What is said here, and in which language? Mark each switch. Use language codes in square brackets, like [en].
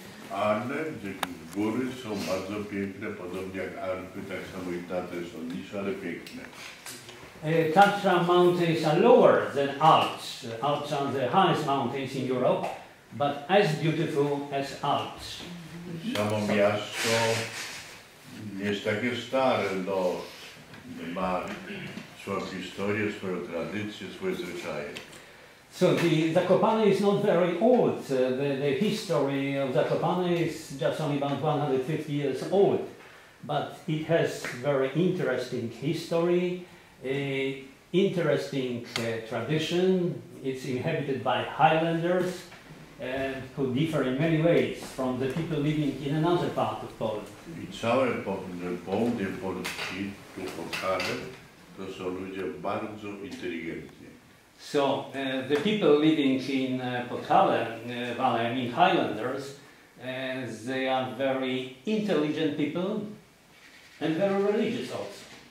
[pl] Ale góry są bardzo piękne, podobnie jak Alpy, tak samo i Tatry są niższe, ale piękne. [en] Tatra mountains are lower than Alps. Alps are the highest mountains in Europe, but as beautiful as Alps. [pl] Samo miasto jest takie stare, no, ma swoją historię, swoją tradycję, swoje zwyczaje. [en] So the Zakopane is not very old. The history of Zakopane is just only about 150 years old, but it has very interesting history. Interesting tradition. It's inhabited by Highlanders who differ in many ways from the people living in another part of Poland. [pl] I całe południe Polski, tu Polkale, to są ludzie bardzo inteligentni. [en] So, the people living in Polkale, I mean Highlanders, they are very intelligent people and very religious also.